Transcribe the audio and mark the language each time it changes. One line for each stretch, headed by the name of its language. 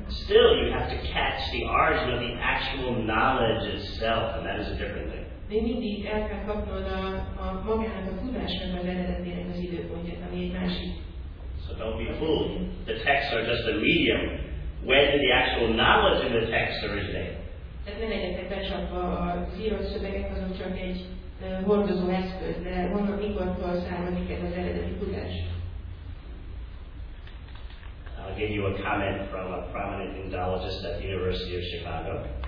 English: Still, you have to catch the origin of the actual knowledge itself, and that is a different thing.
Hungarian: De mindig el kell kapnod a magának a tudásnak az eredetének az időpontját, ami egy másik.
English: So don't be fooled. The texts are just a medium. Where did the actual knowledge in the text originate?
Hungarian: Tehát ne legyetek becsapva, az írott szövegek azok csak egy hordozó eszköz, de honnan mikortól származik ez az eredeti tudás?
English: I'll give you a comment from a prominent Indologist at the University of Chicago.